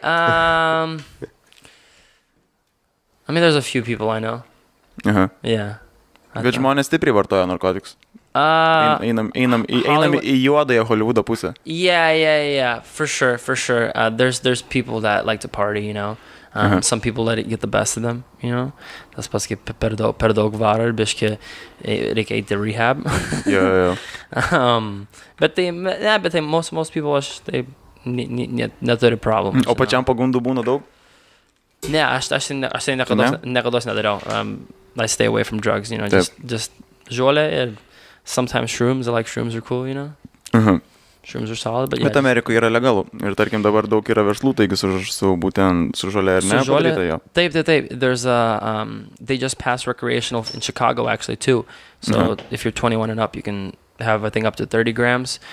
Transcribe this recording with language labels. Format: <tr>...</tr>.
<en>I mean, there's a few people I know.</en> <lt>Bet žmonės stipriai vartoja narkotikus. Einam į juodąją Hollywoodo pusę.</lt> <en>Yeah. For sure. There's people that like to party, you know. Some people let it get the best of them, you know.</en> <lt>Tas pas kaip per daug varo ir biškį reikia eiti rehab.</lt> <en>But most people</en> <lt>aš taip neturi problemų. O pačiam pagundų būna daug? Ne, aš tai nekados nedariau.</lt> <en>I stay away from drugs, you know, just</en> <lt>žuolė ir</lt> <en>sometimes shrooms. I like shrooms are cool, you know. Shrooms are solid, but</en> <lt>Amerikoje yra legalu. Ir tarkim dabar daug yra verslų, taigi su būtent su žuolė ir ne padaryta jo. Taip.</lt> <en>There's a they just passed recreational in Chicago actually too. So if you're 21 and up, you can have I think up to 30 grams.</en>